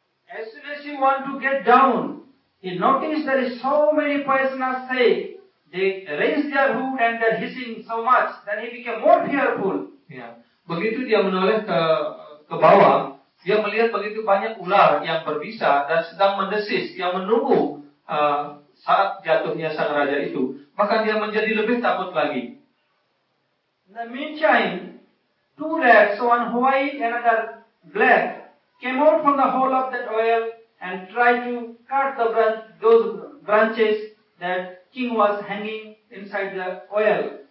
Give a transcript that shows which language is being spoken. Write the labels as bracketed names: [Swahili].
[English] As soon as he want to get down, he noticed there is so many poisonous snakes. They raise their hoof and they're hissing so much. Then he became more fearful. [Indonesian] Ya, begitu dia menoleh ke bawah, dia melihat begitu banyak ular yang berbisa dan sedang mendesis yang menunggu saat jatuhnya sang raja itu. Maka dia menjadi lebih takut lagi. [English] In the meantime, two rats, one white, another black, came out from the hole of that well and tried to cut the those branches that king was hanging inside the well.